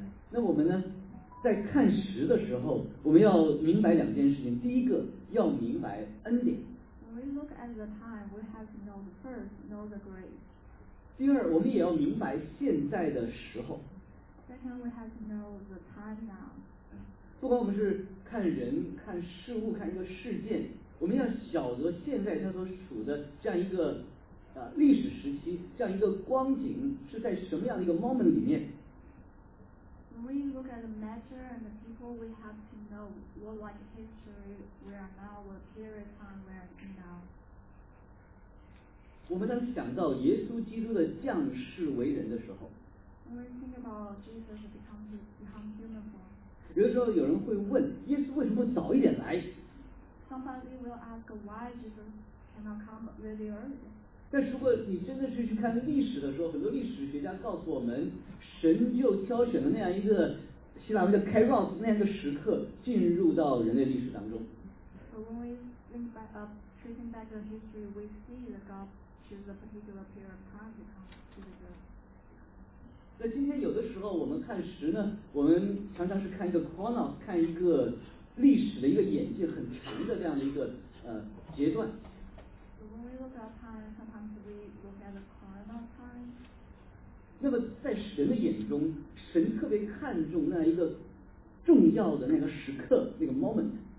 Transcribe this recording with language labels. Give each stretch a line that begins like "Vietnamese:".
Chinese: 那我们呢，在看时的时候，我们要明白两件事情。第一个，要明白恩典。
English: When we look at the time, we have to know the first, know the grace.
Chinese: 第二，我们也要明白现在的时候。
English: Second, we have to know the time now.
Chinese: 不管我们是看人、看事物、看一个事件，我们要晓得现在他所处的这样一个历史时期，这样一个光景是在什么样的一个 moment 里面。
English: When we look at the matter and the people, we have to know what like history we are now, what period time we are in now.
Chinese: 我们当想到耶稣基督的降世为人的时候
English: ，When we think about Jesus become human form.
Chinese: 比如说有人会问耶稣为什么不早一点来
English: Somebody will ask why Jesus cannot come really early.
Chinese: 但如果你真的是去看历史的时候，很多历史学家告诉我们，神就挑选了那样一个希腊文叫 kairos， 那样一个时刻进入到人类历史当中。
English: So when we think back up, tracing back the history, we see the God choose a particular period of time to come to the
Chinese: earth. 那今天有的时候我们看时呢，我们常常是看一个 chronos， 看一个历史的一个演进很长的这样的一个阶段。
English: So when we look at time, sometimes we look at the chronos time.
Chinese: 那么在神的眼中，神特别看重那一个重要的那个时刻，那个 moment。